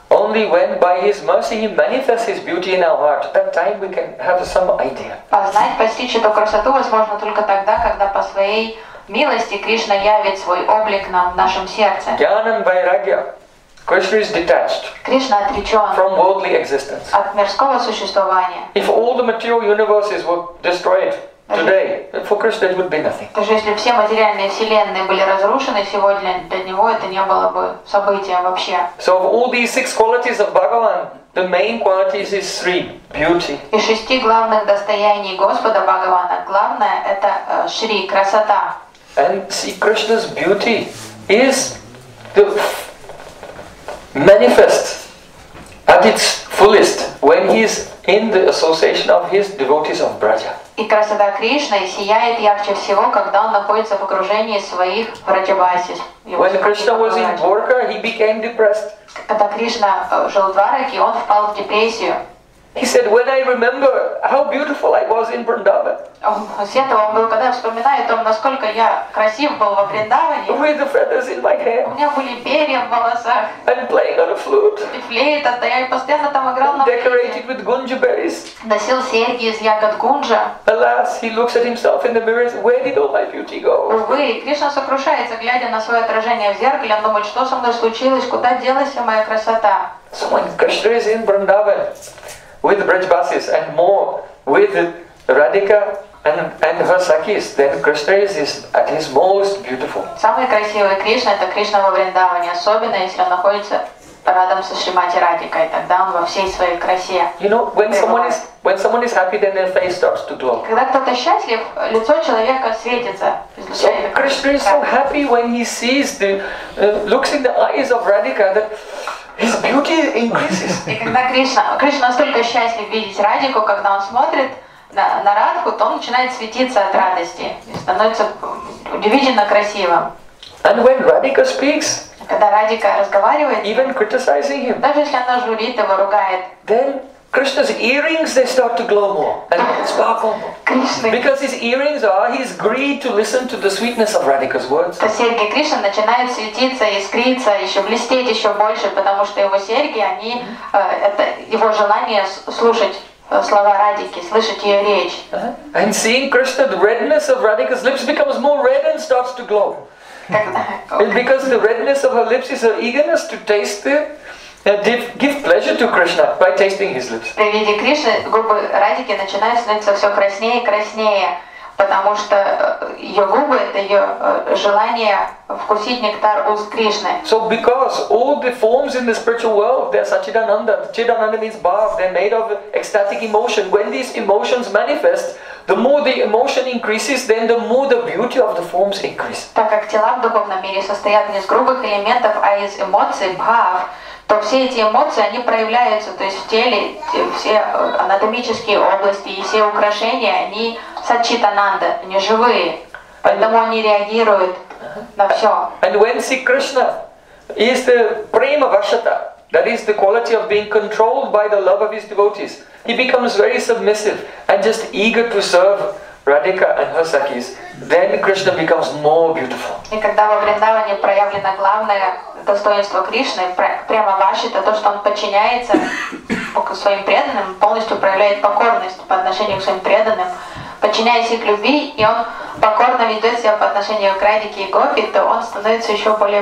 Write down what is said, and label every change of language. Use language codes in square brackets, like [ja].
[en] Only when by his mercy he manifests his beauty in our heart, that time we can have some idea. [ru] Познать, постичь эту красоту возможно только тогда, когда по своей милости Кришна явит свой облик нам в нашем сердце. [en] Gyanam vairagya. Krishna is detached. [ru] Кришна отречен [en] from worldly existence. [ru] От мирского существования. [en] If all the material universes were destroyed today, for Krishna it would be nothing. [ru] То есть, если все материальные вселенные были разрушены сегодня, для него это не было бы событием вообще. [en] So of all these six qualities of Bhagavan, the main quality is his three, beauty. [ru] Из шести главных достояний Господа Бхагавана главное это Шри, красота. [en] And see, Krishna's beauty is the manifest at its fullest when he is in the association of his devotees of Braja. [ru] И красота Кришны сияет ярче всего, когда он находится в окружении своих Враджабасис. [en] When Krishna was in Dwarka, he became depressed. [ru] Когда Кришна жил в Двараке, он впал в депрессию. [en] He said, "When I remember how beautiful I was in Vrindavan." [ru] Oh, с этого было, когда я вспоминаю о том, насколько я красив был во Вриндаване. [en] With the feathers in my hair. [ru] У меня были перья в волосах. [en] And playing on a flute. [ru] И флейта, да я и постоянно там играл на флейте. [en] Decorated with gunja berries. [ru] Носил серьги из ягод гунжа. [en] Alas, he looks at himself in the mirror. Where did all my beauty go? [ru] Увы, Кришна сокрушается, глядя на свое отражение в зеркале, он думает, что со мной случилось, куда делась вся моя красота? [en] So when Krishna is in Vrindavan with Brajbasis and more with Radhika and her sakis, then Krishna is at his most beautiful. [ru] Самый красивый Кришна это Кришна во Вриндаване, особенно если он находится рядом со Шримати Радикой, тогда он во всей своей красе. [en] You know, when someone is happy, then their face starts to glow. [ru] Когда кто-то счастлив, лицо человека светится. [en] So Krishna is so happy when he sees the looks in the eyes of Radhika that his beauty increases. [ru] И когда Кришна настолько счастлив видеть Радику, когда он смотрит на Радху, то он начинает светиться от радости и становится удивительно красивым. [en] And when Radhika speaks, [ru] когда Радика разговаривает, [en] even criticizing him, [ru] даже если она журит его, ругает, [en] then Krishna's earrings they start to glow more and sparkle more. [ru] Кришны. [en] Because his earrings are his greed to listen to the sweetness of Radhika's words. [ru] Серьги Кришны начинают светиться, искриться, еще блестеть еще больше, потому что его серьги, они это его желание слушать слова Радики, слышать ее речь. [en] And seeing Krishna, the redness of Radhika's lips becomes more red and starts to glow. Okay. Because the redness of her lips is her eagerness to taste the give pleasure to Krishna by tasting his lips. [ru] При виде Кришны губы Радики начинают становиться все краснее и краснее, потому что ее губы это ее желание вкусить нектар уст Кришны. [en] So because all the forms in the spiritual world, they're Sachidananda. Chidananda means bath, they're made of ecstatic emotion. When these emotions manifest, the more the emotion increases, then the more the beauty of the forms increase. [ru] Так как тела в духовном мире состоят не из грубых элементов, а из эмоций, бхав, то все эти эмоции, они проявляются, то есть в теле все анатомические области и все украшения, они сачитананда, они живые, поэтому они реагируют на все. [en] And when see Krishna is the prema vashata, that is the quality of being controlled by the love of his devotees, he becomes very submissive and just eager to serve Radhika and her sakis, then Krishna becomes more beautiful. [ru] И когда во Вриндаване проявлено главное достоинство Кришны, прямо ваше, это то, что он подчиняется своим преданным, полностью проявляет покорность по отношению к своим преданным, подчиняясь их любви, и он покорно ведет себя по отношению к Радике и Гопи, то он становится еще более